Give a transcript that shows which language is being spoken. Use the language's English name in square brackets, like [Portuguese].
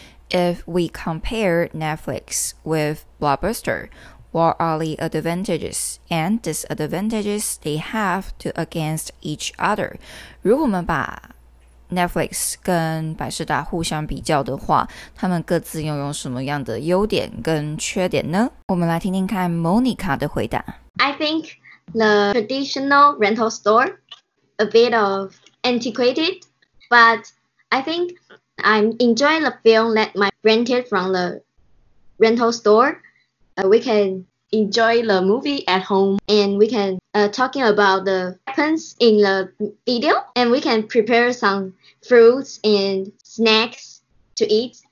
[English] If we compare Netflix with Blockbuster, what are the advantages and disadvantages they have to against each other? [Chinese] 如果我们把Netflix 跟百事达互相比较的话，他们各自拥有什么样的优点跟缺点呢？我们来听听看 Monica 的回答。 [English] I think the traditional rental store a bit of antiquated, but I think I'm enjoy the film that my rented from the rental store. We can enjoy the movie at home, and we can talking about the happens in the video, and we can prepare some fruits and snacks to eat.